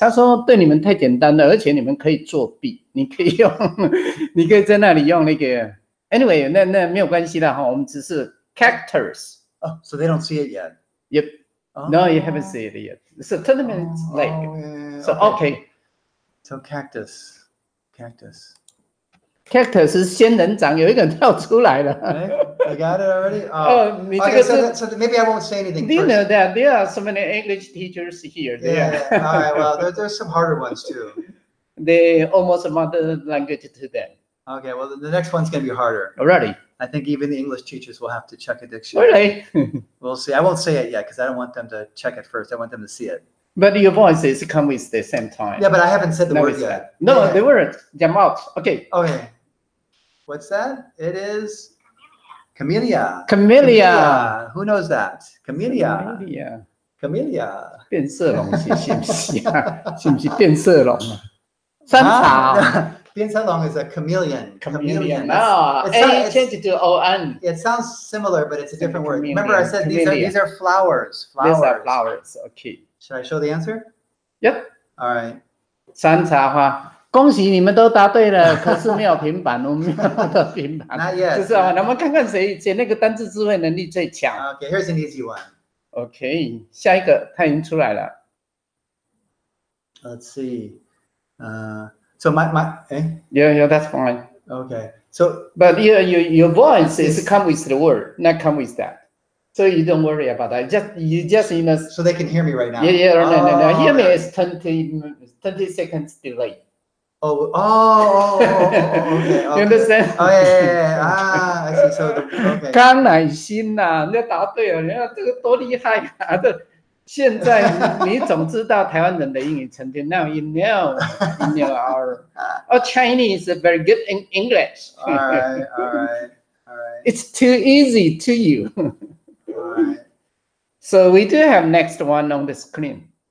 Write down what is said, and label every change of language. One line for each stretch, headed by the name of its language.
Chinese: 他说对你们太简单了，而且你们可以作弊，你可以在那里用那个。 Anyway, 那没有关系的哈，我们只是 cactus.
English: Oh, so they don't see it yet. Yep. No, you haven't seen it yet. It's a tournament lake. So, okay. So, cactus. Cactus. Cactus is
Chinese: 仙人掌. 有一个人跳出来了.
English: I got it already? So maybe I won't say anything first. You know that there are so many English teachers here. Yeah. All right. Well, there's some harder ones too. They almost a mother language to them. Okay. Well, the next one's going to be harder. Alrighty. I think even the English teachers will have to check a dictionary. Really? We'll see. I won't say it yet because I don't want them to check it first. I want them to see it. But your voice is come with the same time. Yeah, but I haven't said the word yet. No, the word. Your mouth. Okay. Okay. What's that? It is? Camellia. Camellia. Camellia. Who knows that? Camellia. Camellia. Camellia.
Chinese: 变色龙是不是？是不是变色龙？山茶。变色龙
English: is a chameleon. Chameleon. Oh, change it to O-N. It sounds similar, but it's a different chameleon. Word. Remember, I said these are flowers. Flowers. These are flowers. Okay. Should I show the answer? Yep. All right.
Chinese: 山茶花，恭喜你们都答对了。可是没有平板，我们没有的平板。
English: Not yet.
Chinese: 就是啊，那么看看谁写那个单字智慧能力最强。
English: Okay, here's an easy one.
Chinese: Okay, 下一个他已经出来了。
English: Let's see. So my yeah, that's fine. Okay. So, but your voice is come with the word, not come with that. So you don't worry about that. Just so they can hear me right now. Yeah, yeah, no. Hear me is 20 seconds delay. Oh, okay. You understand? Oh, yeah. I see. So, okay.
Chinese: 刚耐心呐，你答对了，你看这个多厉害啊！这现在你总知道台湾人的英语程度 ，
English: Now you know our Chinese is very good in English. All right. It's too easy to you. All right. So we do have next one on the screen.